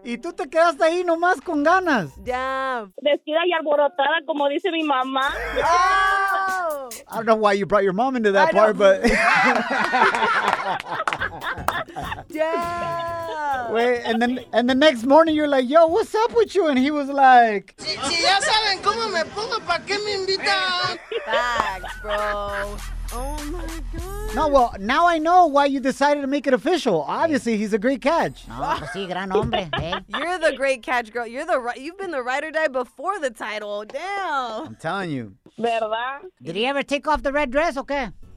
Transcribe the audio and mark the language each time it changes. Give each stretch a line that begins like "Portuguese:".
Spanish: ¿Y tú te quedaste ahí nomás con ganas? Ya. Vestida y alborotada, como dice mi mamá.
English: I don't know why you brought your mom into that part, but... Yeah. Wait, and the next morning you're like, yo, what's up with you? And he was like...
Spanish: Si ya saben cómo me pongo, ¿para qué me invitan?
English: Facts, bro. Oh, my God. No, well, now I know why you decided to make it official. Obviously, he's a great catch.
Spanish: No, pues sí, gran hombre. Hey.
English: You're the great catch, girl. You're the you've been the ride or die before the title. Damn. I'm telling you.
Spanish: ¿Verdad?
English: Did he ever take off the red dress
Spanish: o qué?